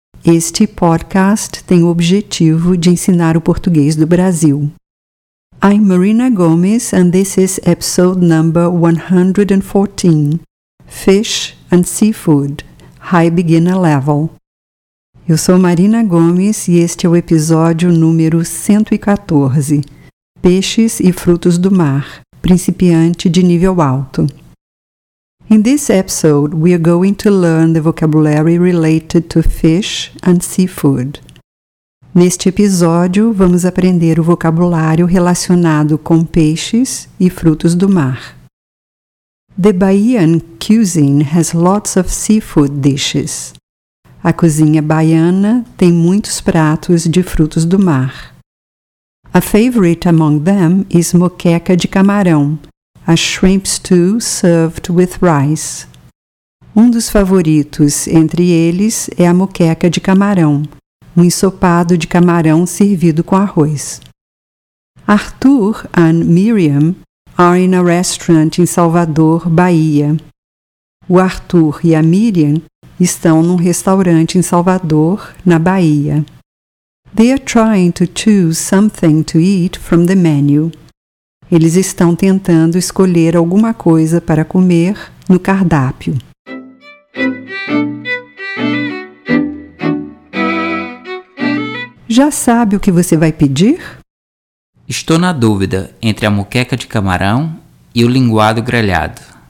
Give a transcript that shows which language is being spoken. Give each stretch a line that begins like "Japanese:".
Portuguese: Este podcast tem o objetivo de ensinar o português do Brasil.
English: I'm Marina Gomes and this is episode number 114, Fish and Seafood, High Beginner Level.
Portuguese: Eu sou Marina Gomes e este é o episódio número 114. Peixes e frutos do mar, principiante de nível alto.
English: In this episode, we are going to learn the vocabulary related to fish and seafood.
Portuguese: Neste episódio, vamos aprender o vocabulário relacionado com peixes e frutos do mar.
English: The Bahian cuisine has lots of seafood dishes.
Portuguese: A cozinha baiana tem muitos pratos de frutos do mar.
English: A favorite among them is moqueca de camarão, a shrimp stew served with rice.
Portuguese: Um dos favoritos entre eles é a moqueca de camarão, um ensopado de camarão servido com arroz.
English: Arthur and Miriam are in a restaurant in Salvador, Bahia.
Portuguese: O Arthur e a Miriam estão num restaurante em Salvador, na Bahia.
English: They are trying to choose something to eat from the menu.
Portuguese: Eles estão tentando escolher alguma coisa para comer no cardápio. Já sabe o que você vai pedir? Estou na dúvida entre a moqueca de camarão e o linguado grelhado.